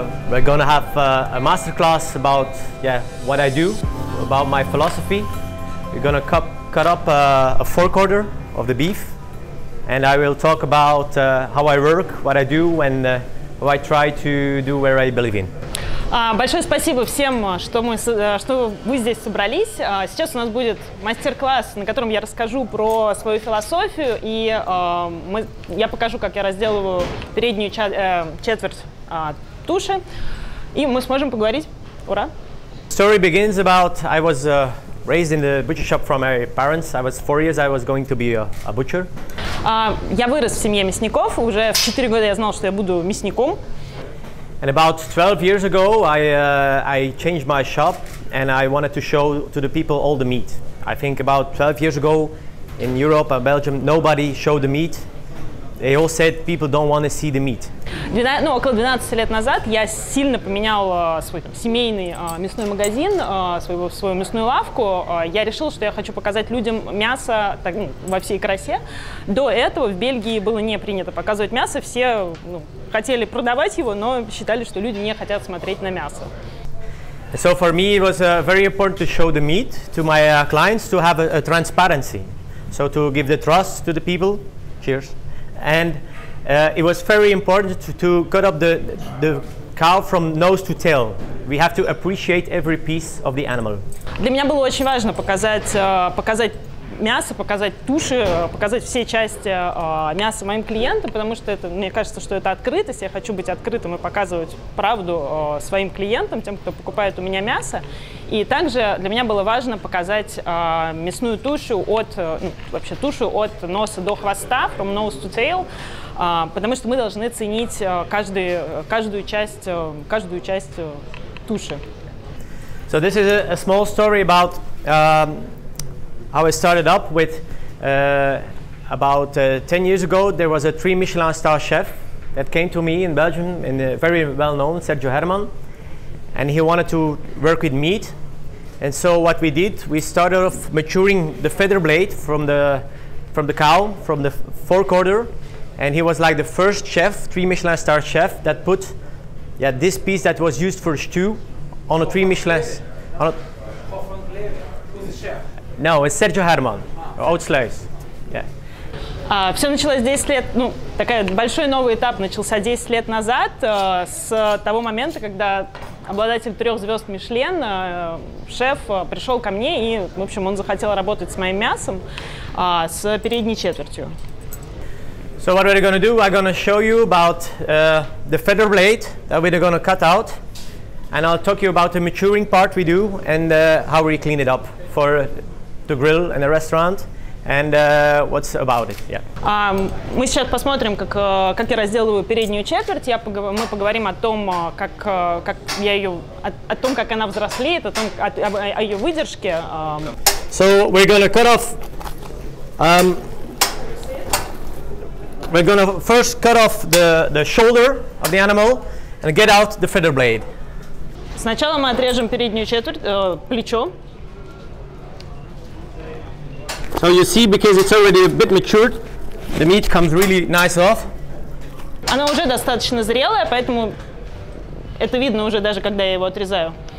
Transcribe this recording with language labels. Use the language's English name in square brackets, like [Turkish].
[English] We're gonna have a masterclass about what I do, about my philosophy. We're gonna cut up a forequarter of the beef, and I will talk about how I work, what I do, and how I try to do where I believe in. [Russian] Большое спасибо всем, что вы здесь собрались. Сейчас у нас будет мастер-класс, на котором я расскажу про свою философию, и я покажу, как я разделываю переднюю четверть туши, и мы сможем поговорить. Ура! [English] Story begins about I was raised in the butcher shop from my parents. I was 4 years, I was going to be a butcher. [Russian] Я вырос в семье мясников, уже в 4 года я знал, что я буду мясником. [English] And about 12 years ago, I changed my shop and I wanted to show to the people all the meat. I think about 12 years ago in Europe and Belgium, nobody showed the meat. They all said people don't want to see the meat. [Russian] Около 12 лет назад я сильно поменял свой семейный мясной магазин, свою мясную лавку. Я решил, что я хочу показать людям мясо во всей красе. До этого в Бельгии было не принято показывать мясо. Все хотели продавать его, но считали, что люди не хотят смотреть на мясо. [English] So for me it was very important to show the meat to my clients, to have a transparency. So to give the trust to the people. Cheers. And it was very important to cut up the cow from nose to tail. We have to appreciate every piece of the animal. [Russian] Для меня было очень важно показать мясо, показать туши, показать все части мяса моим клиентам, потому что это, мне кажется, что это открытость. Я хочу быть открытым и показывать правду своим клиентам, тем, кто покупает у меня мясо. И также для меня было важно показать мясную тушу от носа до хвоста, [English] from nose to tail, [Russian] потому что мы должны ценить каждую часть туши. [English] So this is a small story about how I started up with about 10 years ago. There was a 3 Michelin star chef that came to me in Belgium, in a very well known Sergio Herman, and he wanted to work with meat. And so what we did, we started off maturing the feather blade from the cow, from the forequarter, and he was like the first chef, 3 Michelin star chef, that put this piece that was used for stew on a 3 Michelin. No, it's Sergio Herman, outslice. [Russian] Все началось 10 лет, такой большой новый этап начался 10 лет назад, с того момента, когда обладатель 3 звезд Michelin, шеф, пришел ко мне и, в общем, он захотел работать с моим мясом, с передней четвертью. [English] So what we're going to do, I'm going to show you about the feather blade that we're going to cut out, and I'll talk you about the maturing part we do and how we clean it up for the grill and the restaurant. And what's about it? [Russian] Мы сейчас посмотрим, как я разделываю переднюю четверть. Мы поговорим о том, как я ее, о том, как она взрослеет, о ее выдержке. [English] So we're gonna cut off. We're gonna first cut off the shoulder of the animal and get out the feather blade. [Russian] Сначала мы отрежем переднюю четверть, плечо. [English] So you see, because it's already a bit matured, the meat comes really nice off. [Russian] Она уже достаточно зрелая, поэтому это видно уже даже когда я его отрезаю.